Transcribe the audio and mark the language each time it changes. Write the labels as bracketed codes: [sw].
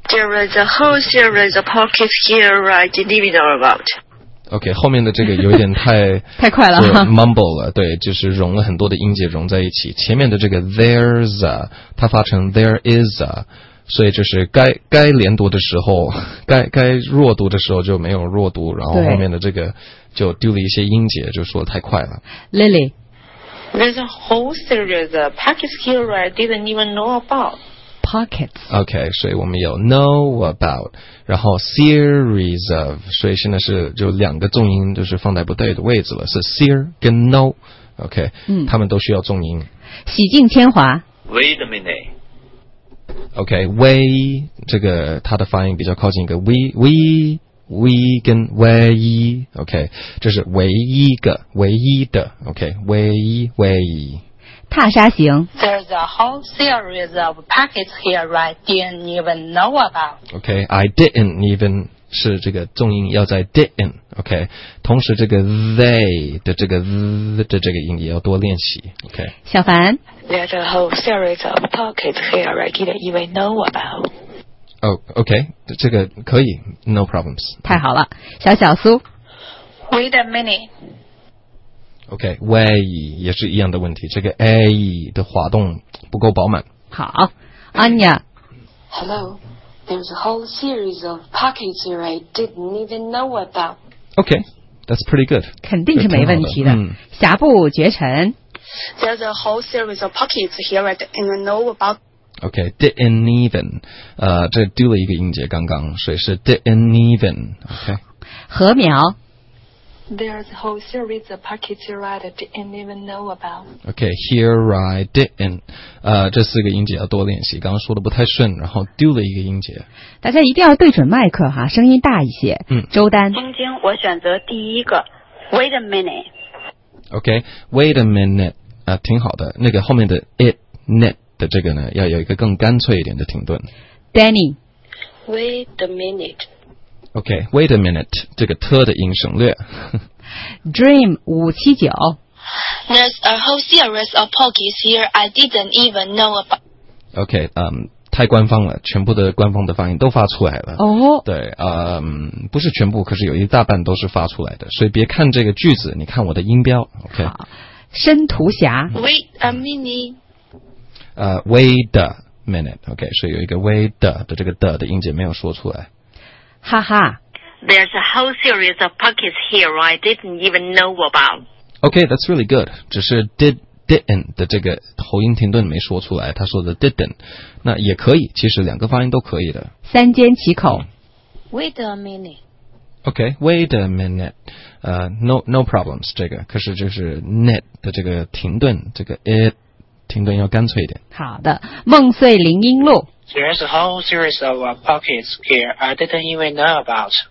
[en] There is a whole series of pockets here I didn't even know about. [zh] OK， 后面的这个有点太太快了，mumble 了，对，就是融了很多的音节融在一起。前面的这个 there's a， 它发成 there is a， 所以就是该连读的时候，该弱读的时候就没有弱读，然后后面的这个就丢了一些音节，就说得太快了。 Lily， [en] there's a whole series of pockets here I didn't even know about. Pockets. [zh] OK， 所以我们有 know about， 然后 series of， 所以现在是就两个重音就是放在不对的位置了，是 sear 跟 know。 OK， 他们都需要重音。洗净铅华。 [en] Wait a minute。 [zh] OK， way 这个它的发音比较靠近一个 we 跟唯一。 OK， 这是唯一个唯一的。 OK， 唯一。踏沙行 [en] There's a whole series of pockets here I didn't even know about. [zh] Okay, I didn't even 是这个重音要在 didn't. Okay, 同时这个 they 的这个 the 这个音也要多练习。Okay, 小凡 [en] There's a whole series of pockets here I didn't even know about. Oh, okay, [zh] 这个可以 [en] no problems. [zh] 太好了，小小苏 [en] Wait a minute. [zh] OK， 喂，也是一样的问题，这个 A 的滑动不够饱满。好 ，Anya。 [en] Hello， there's a whole series of pockets here I didn't even know about. OK， that's pretty good. [zh] 肯定是没问题的。霞步绝尘。 [en] There's a whole series of pockets here I didn't know about. [zh] OK， didn't even， 这丢了一个音节刚刚，所以是 didn't even。OK。禾苗。 [en] There's a whole series of pockets here I didn't even know about. [zh] Okay, here I didn't. 这四个音节要多练习。刚刚说的不太顺，然后丢了一个音节。大家一定要对准麦克哈，声音大一些。周丹。晶晶，我选择第一个。 [en] Wait a minute. Okay, wait a minute. [zh] 挺好的。那个后面的 it net 的这个呢，要有一个更干脆一点的停顿。 Danny. [en] Wait a minute. [zh] OK, [en] wait a minute, [zh] 这个 T 的音省略。 Dream579 [en] There's a whole series of pockets here I didn't even know about. [zh] OK, 太官方了，全部的官方的发音都发出来了。对，不是全部，可是有一大半都是发出来的，所以别看这个句子，你看我的音标。 OK, 申屠侠 [en] Wait a minute. Wait a minute, [zh] OK, 所以有一个 wait a 的这个 的音节没有说出来。哈哈 [en] There's a whole series of pockets here I didn't even know about. Okay, that's really good. [zh] 只是 didn't 的这个喉音停顿没说出来，他说的 didn't， 那也可以，其实两个发音都可以的。三缄其口 [en] Wait a minute. Okay, wait a minute. No problems. [zh] 这个可是就是 net 的这个停顿，这个 it 停顿要干脆一点。好的，梦碎林荫路。 [en] There's a whole series of pockets here I didn't even know about.